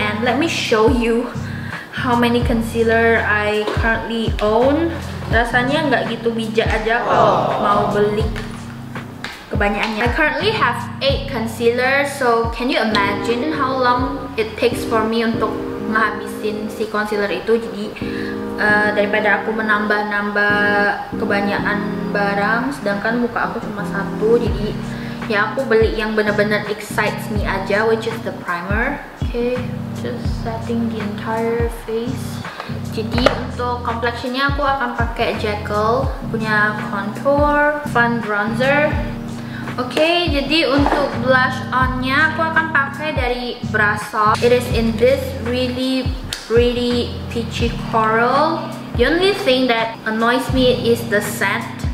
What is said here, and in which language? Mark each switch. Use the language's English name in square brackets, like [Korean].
[English] And let me show you how many concealer I currently own. [Indonesian] Rasanya nggak gitu bijak aja kalau mau beli kebanyakannya. [English] I currently have 8 concealer, so can you imagine how long it takes for me [Indonesian] untuk ngabisin si concealer itu. Jadi daripada aku menambah-nambah kebanyakan barang sedangkan muka aku cuma satu, jadi ya aku beli yang benar-benar [English] excites me [Indonesian] aja, [English] which is the primer. Okay, just setting the entire face. [Indonesian] Jadi untuk complexionnya aku akan pakai Jekyll punya contour fun bronzer. Okay, jadi untuk blush onnya aku akan pakai dari Brasol. [English] It is in this really pretty peachy coral. The only thing that annoys me is the scent.